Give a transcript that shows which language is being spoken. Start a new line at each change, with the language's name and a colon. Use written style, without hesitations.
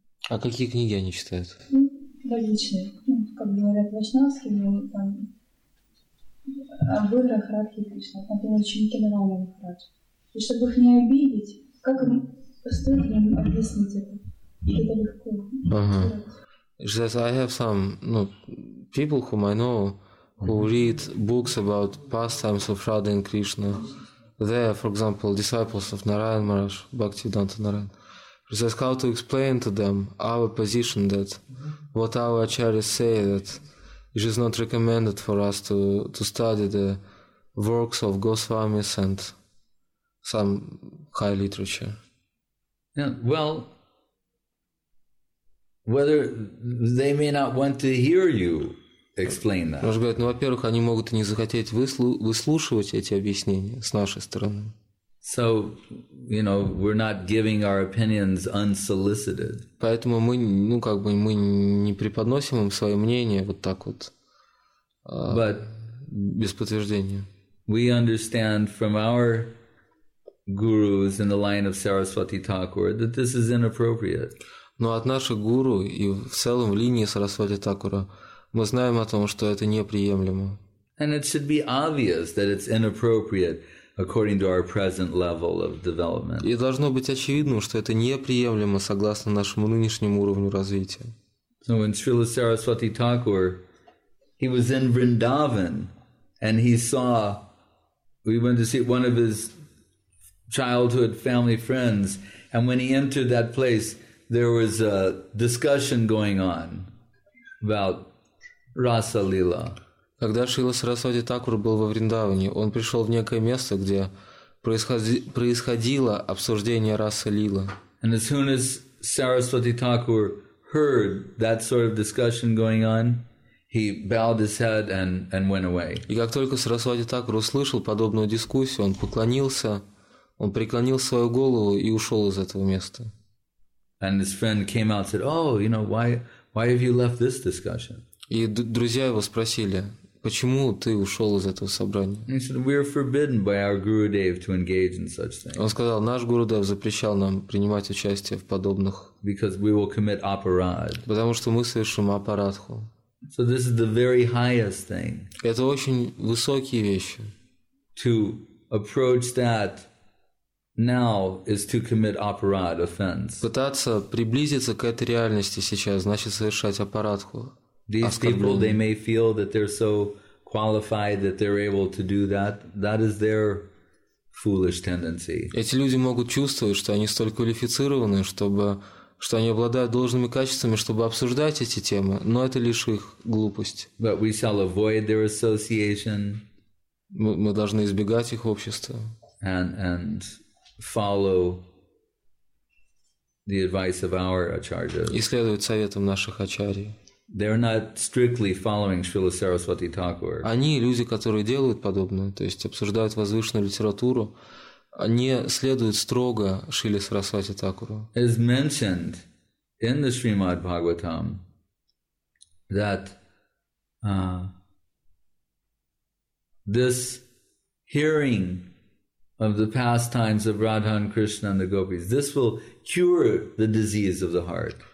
Russian: А какие книги они читают? Различные. Как говорят вайшнавские, но там Абхидра, Харадхи Кришна, там были ученики Нарайана Махараджа. И чтобы их не обидеть, как им стоит им объяснить это? Это легко. Ага.
English: She says, I have some people whom I know who read books about pastimes of Radha and Krishna. They are, for example, disciples of Narayan Maharaj, Bhaktivedanta Narayan. She says, how to explain to them our position that what our acharyas say, that it is not recommended for us to study the works of Goswamis and some high literature. Yeah, well, whether they may not want to hear you explain that.
Russian: Может быть, во-первых, они могут и не захотеть выслушивать эти объяснения с нашей стороны.
English: So, we're not giving our opinions unsolicited.
Russian: Поэтому мы, мы не преподносим им свое мнение вот так вот.
English: But
Russian: без подтверждения.
English: We understand from our gurus in the line of Saraswati Thakur that this is inappropriate.
Russian: Но от наших гуру и в целом в линии Сарасвати Такура мы знаем о том, что это неприемлемо.
English: And it should be obvious that it's inappropriate according to our present level of development.
Russian: И должно быть очевидным, что это неприемлемо согласно нашему нынешнему уровню развития.
English: So when Srila Saraswati Thakur, he was in Vrindavan, and he saw, we went to see one of his childhood family friends, and when he entered that place, there was a discussion going on about Rasa Lila.
Russian: Когда Шрила Сарасвати Такур был во Вриндаване, он пришел в некое место, где происходило обсуждение расы Лила.
English: And as soon as Saraswati Thakur heard that sort of discussion going on, he bowed his head and went away.
Russian: И как только Сарасвати Такур услышал подобную дискуссию, он поклонился, он преклонил свою голову и ушел из этого места.
English: And his friend came out and said, "Oh, you know, why have you left this discussion?"
Russian: И друзья его спросили, почему ты ушел из этого собрания?
English: He said, "We are forbidden by our Guru Dev to engage in such things."
Russian: Он сказал, наш Гуру Дев запрещал нам принимать участие в подобных.
English: Because we will commit aparad.
Russian: Потому что мы совершим апарадху.
English: So this is the very highest thing.
Russian: Это очень высокие вещи.
English: To approach that now is to commit aparad offense.
Russian: Пытаться приблизиться к этой реальности сейчас значит совершать апарадху.
English: These people, they may feel that they're so qualified that they're able to do that. That is their foolish tendency.
Russian: Эти люди могут чувствовать, что они столь квалифицированы, что они обладают должными качествами, чтобы обсуждать эти темы, но это лишь их глупость.
English: But we shall avoid their association.
Russian: Мы должны избегать их общества.
English: And follow the advice of our acharyas.
Russian: И следовать советам наших ачарий.
English: They're not strictly following Srila Saraswati Thakur.
Russian: Они люди, которые делают подобное, то есть обсуждают возвышенную литературу, не следуют строго Шриле Сарасвати Такуру.
English: As mentioned in the Srimad Bhagavatam, that this hearing of the pastimes of Radha and Krishna and the gopis, this will cure the disease of the heart.